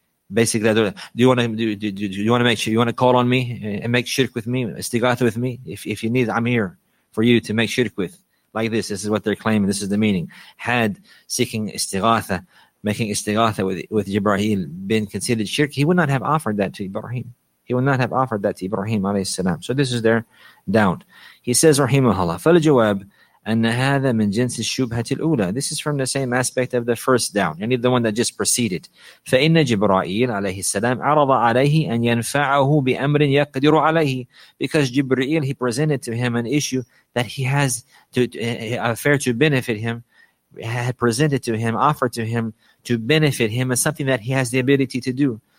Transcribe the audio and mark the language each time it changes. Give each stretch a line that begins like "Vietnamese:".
English: Basically, you want to call on me and make shirk with me, istighatha with me? If you need, I'm here for you to make shirk with. Like this, this is what they're claiming, this is the meaning. Had seeking istighatha, making istighatha with Jibra'il been considered shirk, he would not have offered that to Ibrahim. Alayhi salam. So this is their doubt. He says, rahimahullah,
Arabic: فَلْجَوَابْ أَنَّ هَذَا مِنْ جِنْسِ الشُّبْهَةِ الْأُولَى.
English: This is from the same aspect of the first doubt, and the one that just preceded.
Arabic: فَإِنَّ جِبْرَائِيلَ عَلَيْهِ السَّلَامِ عَرَضَ عَلَيْهِ أَنْ يَنْفَعَهُ بِأَمْرٍ يَقْدِرُ عَلَيْهِ.
English: Because Jibreel, he presented to him an issue that he has to affair to benefit him, had presented to him, offered to him to benefit him as something that he has the ability to do.